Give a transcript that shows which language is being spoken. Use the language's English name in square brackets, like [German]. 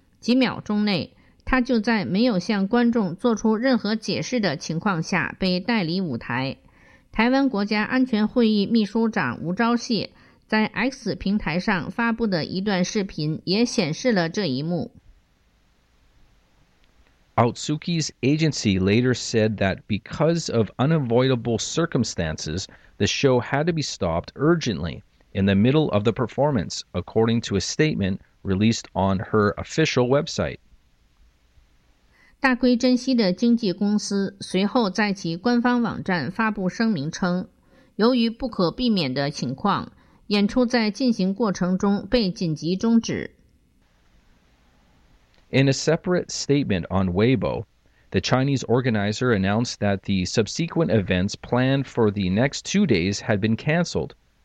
[Chinese] 几秒钟内，他就在没有向观众做出任何解释的情况下被带离舞台。台湾国家安全会议秘书长吴钊燮在 X 平台上发布的一段视频也显示了这一幕。 [English] Otsuki's agency later said that because of unavoidable circumstances, the show had to be stopped urgently in the middle of the performance, according to a statement released on her official website. [Chinese] 大龟珍希的经纪公司随后在其官方网站发布声明称，由于不可避免的情况，演出在进行过程中被紧急终止。 [English] In a separate statement on Weibo, the Chinese organizer announced that the subsequent events planned for the next 2 days had been cancelled.